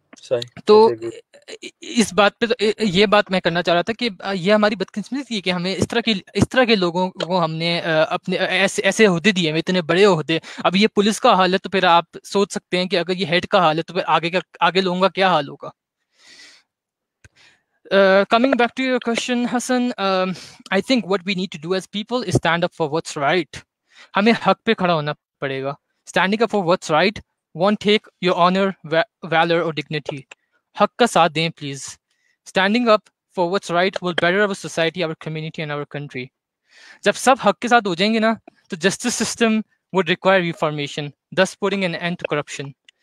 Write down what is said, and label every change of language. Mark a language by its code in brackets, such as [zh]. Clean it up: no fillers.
[hi] तो इस बात पे ये बात मैं करना चाह रहा था कि ये हमारी बदकिस्मती थी कि हमें इस तरह के लोगों को हमने अपने ऐसे ओहदे दिए, इतने बड़े ओहदे। अब ये पुलिस का हाल है तो फिर आप सोच सकते हैं कि अगर ये हेड का हाल है तो फिर आगे लोगों का क्या हाल होगा। [en] Coming back to your question, Hassan, I think what we need to do as people is stand up for what's right. [hi] हमें हक पे खड़ा होना पड़ेगा। [en] Standing up for what's right won't take your honor, valor or dignity. [hi] हक का साथ दें please. [en] Standing up for what's right will better our society, our community and our country. [hi] जब सब हक के साथ हो जाएंगे ना तो [en] justice system would require reformation, thus putting an end to corruption.